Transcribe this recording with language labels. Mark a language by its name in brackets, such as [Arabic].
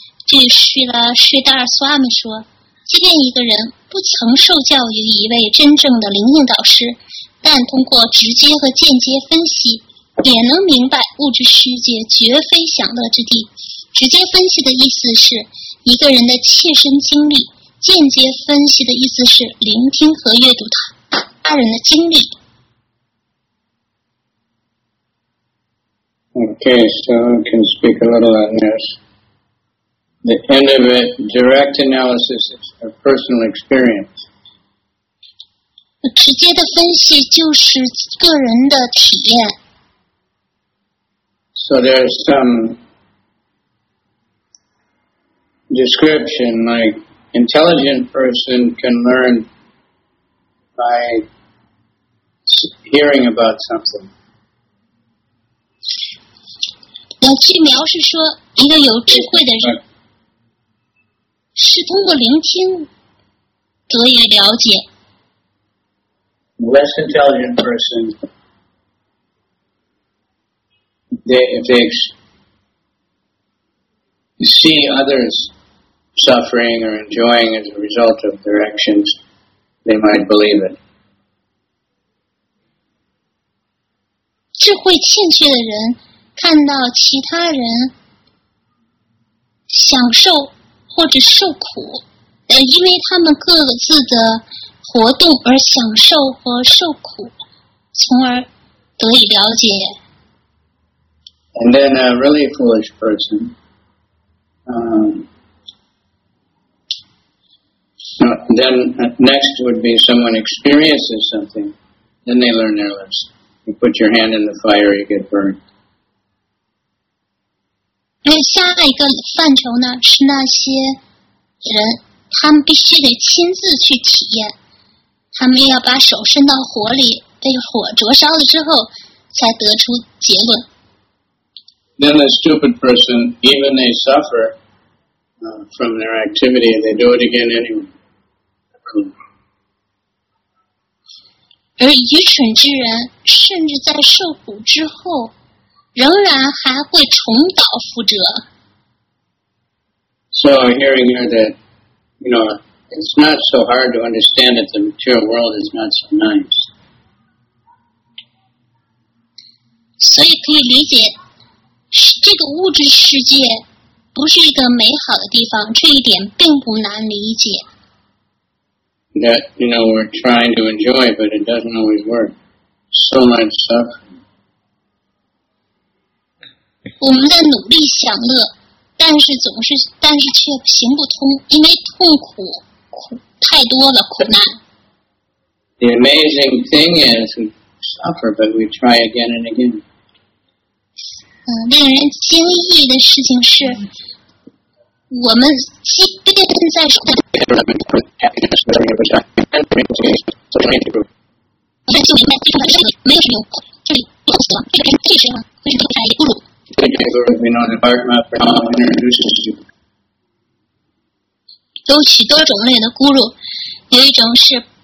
[Chinese] 据释迦释达尔斯瓦米说，即便一个人不曾受教于一位真正的灵性导师，但通过直接和间接分析也能明白物质世界绝非享乐之地。直接分析的意思是一个人的切身经历，间接分析的意思是聆听和阅读他人的经历。 [English] Okay, so I can speak a little on this. The end of it, direct analysis is a personal experience. [Chinese] 直接的分析就是个人的体验。 [English] So there's some description, like intelligent person can learn by hearing about something. [Chinese] 去描述说一个有智慧的人是通过聆听得以了解。 [English] Less intelligent person, if they see others suffering or enjoying as a result of their actions, they might believe it. [Chinese] 智慧欠缺的人看到其他人享受或者受苦，因为他们各自的活动而享受和受苦，从而得以了解。 [English] And then a really foolish person, then next would be someone experiences something, then they learn their lesson. You put your hand in the fire, you get burned. [Chinese] 下一个范畴呢，是那些人，他们必须得亲自去体验，他们要把手伸到火里，被火灼烧了之后，才得出结论。 [English] Then the stupid person, even they suffer from their activity, they do it again anyway. [Chinese] 而愚蠢之人甚至在受苦之后仍然还会重蹈覆辙。 [English] So hearing here that, you know, it's not so hard to understand that the material world is not so nice. [Chinese] 所以可以理解这个物质世界不是一个美好的地方，这一点并不难理解。 [English] That, you know, we're trying to enjoy, but it doesn't always work. So much suffering. [Chinese] 我们在努力享乐，但是却行不通，因为痛苦太多了，苦难。 [English] The amazing thing is we suffer, but we try again and again. [Chinese] 令人惊异的事情是我们即便在有许多种类的咕噜，有一种是